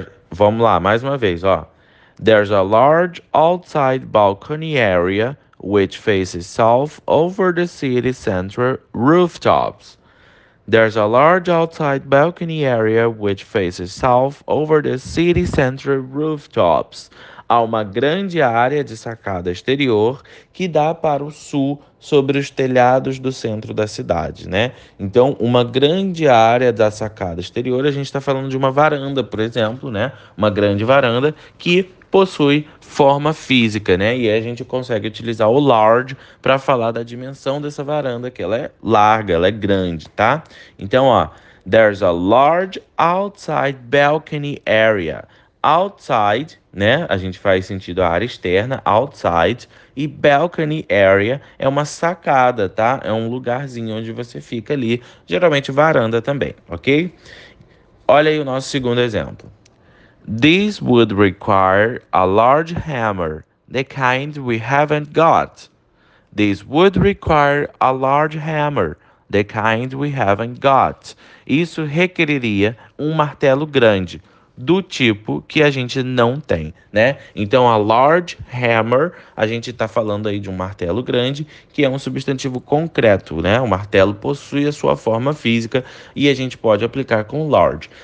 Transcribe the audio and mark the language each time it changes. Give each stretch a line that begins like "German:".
Portuguese: Vamos lá, mais uma vez, ó.
English: There's a large outside balcony area which faces south over the city center rooftops. There's a large outside balcony area which faces south over the city center rooftops.
Portuguese: Há uma grande área de sacada exterior que dá para o sul sobre os telhados do centro da cidade, né? Então, uma grande área da sacada exterior, a gente está falando de uma varanda, por exemplo, né? Uma grande varanda que possui forma física, né? E aí a gente consegue utilizar o large para falar da dimensão dessa varanda, que ela é larga, ela é grande, tá? Então, ó,
English: there's a large outside balcony area.
Portuguese: Outside, né? A gente faz sentido a área externa, outside, e balcony area é uma sacada, tá? É um lugarzinho onde você fica ali, geralmente varanda também, ok? Olha aí o nosso segundo exemplo.
English: This would require a large hammer, the kind we haven't got. This would require a large hammer, the kind we haven't got.
Portuguese: Isso requeriria um martelo grande, do tipo que a gente não tem, né? Então,
English: a large hammer,
Portuguese: a gente está falando aí de um martelo grande, que é um substantivo concreto, né? O martelo possui a sua forma física e a gente pode aplicar com large.